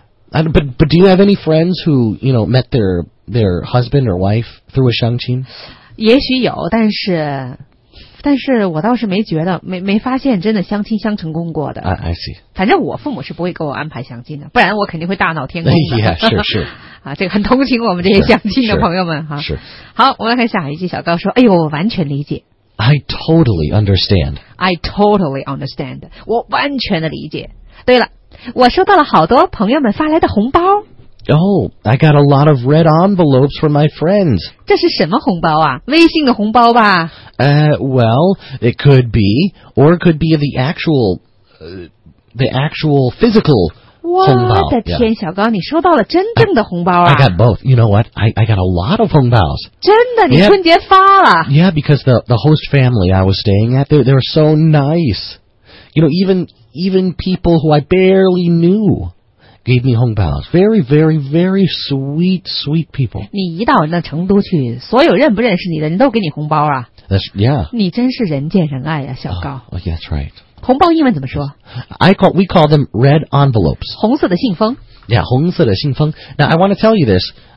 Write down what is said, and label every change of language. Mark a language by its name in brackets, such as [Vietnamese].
[English] But do you have any friends who, you know, met their husband or wife through a 相亲？ [Chinese] 也许有，但是我倒是没觉得，没发现真的相亲相成功过的。 [English] I see. [Chinese] 反正我父母是不会给我安排相亲的，不然我肯定会大闹天宫的。 Yeah, 是是。啊，这个很同情我们这些相亲的朋友们哈。是。好，我们来看下一句，小高说，哎呦，我完全理解。 [English] I totally understand. I totally understand. [Chinese] 我完全的理解。对了，我收到了好多朋友们发来的红包。 [English] Oh, I got a lot of red envelopes from my friends. [Chinese] 这是什么红包啊？微信的红包吧？ [English] Well, it could be, or it could be the actual physical 红包。 [Chinese] 我的天， [English] yeah. [Chinese] 小高，你收到了真正的红包啊！ [English] I got both. You know what? I got a lot of 红包。 [Chinese] 真的，你春节发了？ [English] Yeah, because the host family I was staying at, they were so nice. You know, even people who I barely knew gave me 红包。 Very, very, very sweet, sweet people. [Chinese] 你一到那成都去，所有认不认识你的人都给你红包啊 [English] ？That's yeah. [Chinese] 你真是人见人爱呀、啊，小高。 [English] Oh, that's right. [Chinese] 红包英文怎么说 [English] ？We call them red envelopes. [Chinese] 红色的信封。 [English] Yeah, [Chinese] 红色的信封。 [English] Now I want to tell you this.